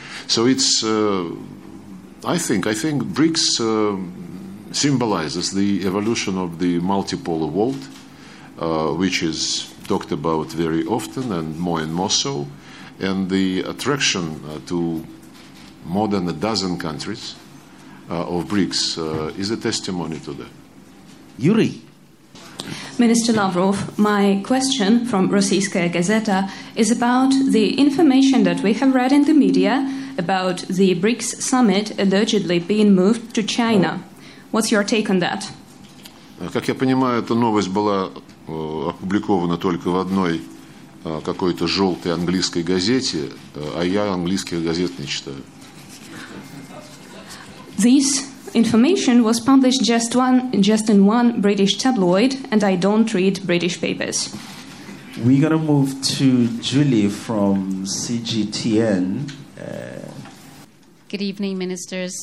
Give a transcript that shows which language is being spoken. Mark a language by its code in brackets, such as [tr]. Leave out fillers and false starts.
[en] So it's, I think BRICS symbolizes the evolution of the multipolar world, which is talked about very often and more so, and the attraction to more than a dozen countries of BRICS is a testimony to that. Yuri. Minister Lavrov, my question from Rossiyskaya Gazeta is about the information that we have read in the media about the BRICS summit allegedly being moved to China. What's your take on that? [ru] Как я понимаю, эта новость была опубликована только в одной какой-то желтой английской газете, а я английских газет не читаю. [en] This information was published just in one British tabloid, and I don't read British papers. We're going to move to Julie from CGTN. Good evening, ministers.